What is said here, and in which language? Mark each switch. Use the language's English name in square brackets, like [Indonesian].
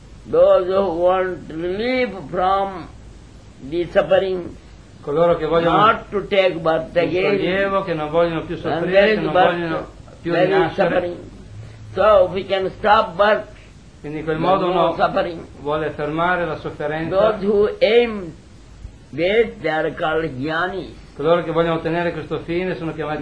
[English] those who want relief from the suffering, [Italian] coloro che vogliono [English] not to take birth again, [Italian] un sollievo, che non vogliono più soffrire, che non vogliono più rinascere. [English] So we can stop birth, [Italian] quindi in quel modo uno vuole fermare la sofferenza. [English] Those who aim this, they are called jnanis. [Italian] Coloro che vogliono ottenere questo fine sono chiamati